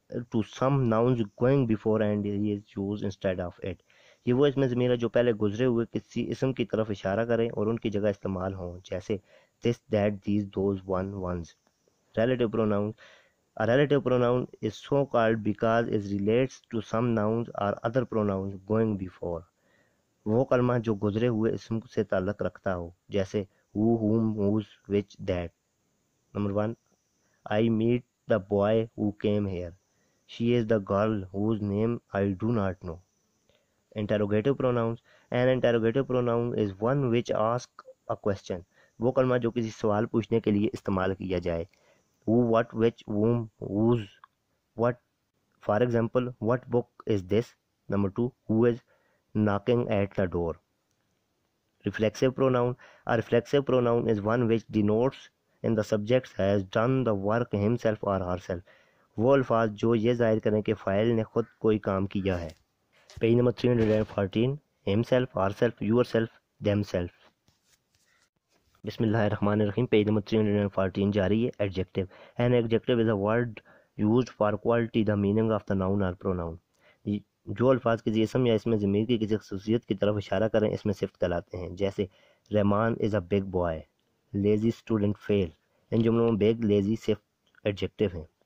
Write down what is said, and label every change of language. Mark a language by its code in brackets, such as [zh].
[en] to some nouns going before and he is use instead of it [ur] یہ وہ اس میں ضمیر ہے جو پہلے گزرے ہوئے کسی اسم کی طرف اشارہ کریں اور ان کی جگہ استعمال ہوں [en] جیسے this that these those one ones relative pronouns A relative pronoun is so called because it relates to some nouns or other pronouns going before. [ur] وہ کلمہ جو گزرے ہوئے اسم سے تعلق رکھتا ہو جیسے who, whom, whose, which, that. [en] Number one, I meet the boy who came here. She is the girl whose name I do not know. Interrogative pronouns. An interrogative pronoun is one which asks a question. [ur] وہ کلمہ جو کسی سوال پوچھنے کے لیے استعمال کیا جائے [en] Who, what, which, whom, whose, what. For example, what book is this? Number two, who is knocking at the door? Reflexive pronoun. A reflexive pronoun is one which denotes in the subject has done the work himself or herself. [ur] وہ الفاظ جو یہ ظاہر کریں کہ فاعل نے خود کوئی کام کیا ہے. [en] Page number 314. Himself, herself, yourself, themselves. [ur] بسم اللہ الرحمن الرحیم پیج نمبر 314 جاری ہے [en] adjective an adjective is a word used for quality the meaning of the noun or pronoun [ur] جو الفاظ کسی اسم یا اس میں ضمیر کی کسی خصوصیت کی طرف اشارہ کریں اس میں صفت کہلاتے ہیں جیسے [en] Rahman is a big boy lazy student fail [ur] ان جملوں میں بگ لیزی صفت ایڈجیکٹیو ہیں